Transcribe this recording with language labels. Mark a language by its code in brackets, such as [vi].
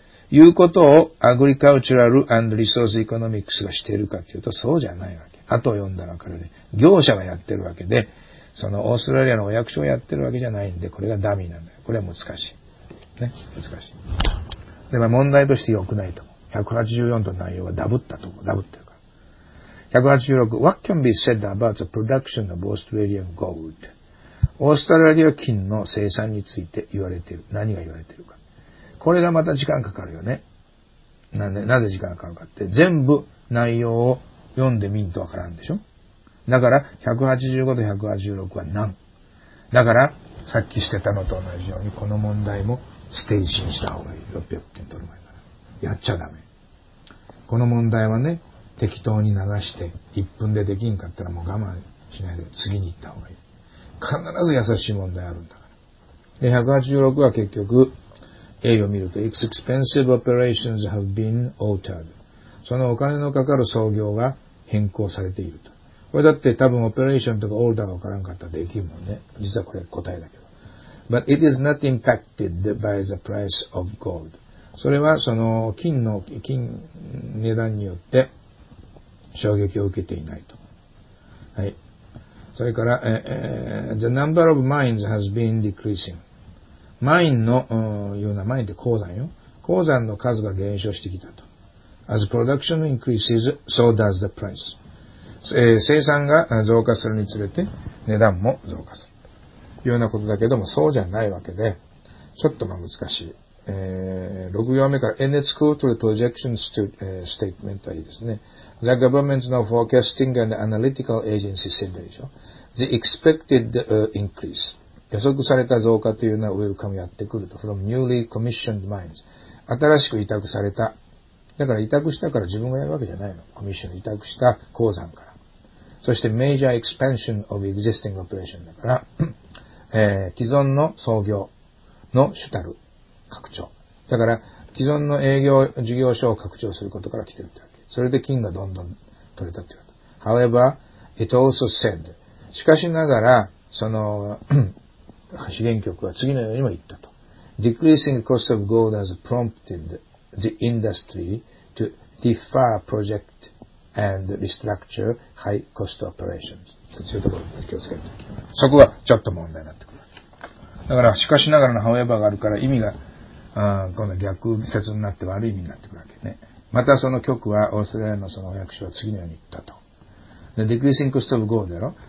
[ja] いうことを、Agricultural and Resource Economics がしているかというと、そうじゃないわけ。あとを読んだらわかるね。業者がやってるわけで、そのオーストラリアのお役所をやってるわけじゃないんで、これがダミーなんだよ。これは難しい。ね。難しい。で、まあ問題として良くないと思う。 184と内容がダブったとこ、ダブってるから。 [en] 186、What can be said about the production of Australian gold? [ja] オーストラリア金の生産について言われている。何が言われているか。これがまた時間かかるよね。なんで、なぜ時間かかるかって、全部内容を読んでみんとわからんでしょ。だから185と186は何だから、さっきしてたのと同じようにこの問題もステージにした方がいい。 600点取る前からやっちゃダメ。この問題はね、適当に流して1分でできんかったらもう我慢しないで次に行った方がいい。必ず優しい問題あるんだから。で、186は結局 A を見ると、 [en] Its expensive operations have been altered、 [ja] そのお金のかかる操業が変更されていると。これだって多分オペレーションとかオーダーが分からんかったらできるもんね。実はこれ答えだけど。 [en] But it is not impacted by the price of gold. [ja] それはその金の、金値段によって衝撃を受けていないと。はい。それから、 [en] the number of mines has been decreasing. [ja] マインの、いうのはマインって鉱山よ。鉱山の数が減少してきたと。 [en] As production increases, so does the price. [ja] 生産が増加するにつれて値段も増加するというようなことだけども、そうじゃないわけで、ちょっとまあ難しい。 6行目から NH Quarterly Projection Statement はいいですね。 [en] The government's now forecasting and analytical agency said でしょ。 The expected increase。 [ja] 予測された増加というのはウェルカムやってくると。 [en] From newly commissioned mines。 [ja] 新しく委託された。だから委託したから自分がやるわけじゃないの。コミッションに委託した鉱山から。そして [en] major expansion of existing operation [ja] だから、既存の操業の主たる拡張。だから既存の営業事業所を拡張することから来てるってわけ。それで金がどんどん取れたってこと。 [en] However, it also said, [ja] しかしながら、その資源局は次のようにも言ったと。 [en] Decreasing cost of gold has prompted the industry to defer project and restructure high cost operations. [ja] そういうところに気をつけるとき。そこがちょっと問題になってくる。だから、しかしながらの however があるから意味が、この逆説になって悪い意味になってくるわけね。またその局は、オーストラリアのそのお役所は次のように言ったと。 [en] The decreasing cost of gold [ja] だろ。